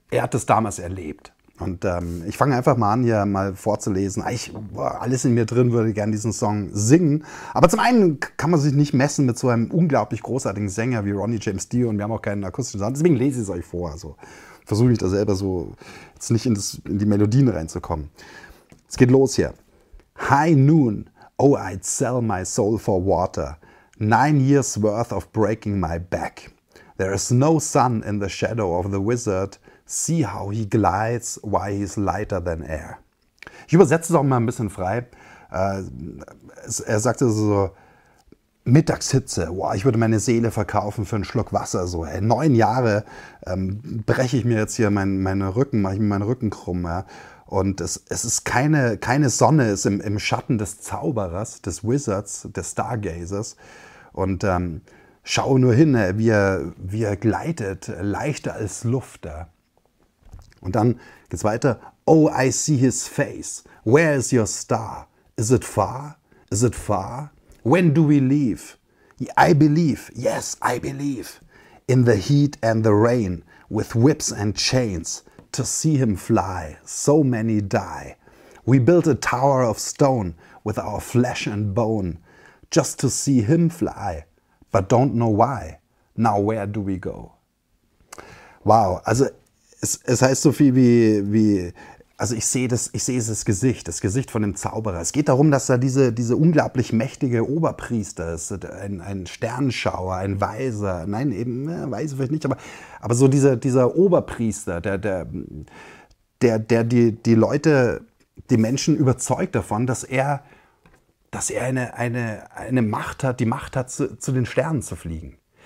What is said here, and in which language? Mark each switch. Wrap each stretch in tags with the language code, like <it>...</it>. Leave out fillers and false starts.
<de>Er hat es damals erlebt. Und ich fange einfach mal an, hier mal vorzulesen. Alles in mir drin würde gerne diesen Song singen. Aber zum einen kann man sich nicht messen mit so einem unglaublich großartigen Sänger wie Ronnie James Dio und wir haben auch keinen akustischen Sound. Deswegen lese ich es euch vor. Also versuche ich da selber so jetzt nicht in die Melodien reinzukommen. Es geht los hier.</de> <en>High noon, oh, I'd sell my soul for water. 9 years worth of breaking my back. There is no sun in the shadow of the wizard. See how he glides, why he's lighter than air.</en> <de>Ich übersetze es auch mal ein bisschen frei. Er sagte so: Mittagshitze, boah, ich würde meine Seele verkaufen für einen Schluck Wasser. So, ey, 9 Jahre breche ich mir jetzt hier meinen Rücken, mache ich mir meinen Rücken krumm. Ja. Und es ist keine Sonne, ist im Schatten des Zauberers, des Wizards, des Stargazers. Und schau nur hin, ey, wie er gleitet, leichter als Luft. Ja. Und dann geht's weiter.</de> <en>Oh, I see his face. Where is your star? Is it far? Is it far? When do we leave? I believe, yes, I believe. In the heat and the rain, with whips and chains, to see him fly, so many die. We built a tower of stone with our flesh and bone, just to see him fly, but don't know why. Now, where do we go? Wow,</en> <de>also. Es heißt so viel also ich sehe das Gesicht von dem Zauberer. Es geht darum, dass da diese unglaublich mächtige Oberpriester ist, ein Sternschauer, ein Weiser, nein, eben, ne, Weise vielleicht nicht, aber so dieser Oberpriester, der die Menschen überzeugt davon, dass er eine Macht hat, die Macht hat, zu den Sternen zu fliegen.</de>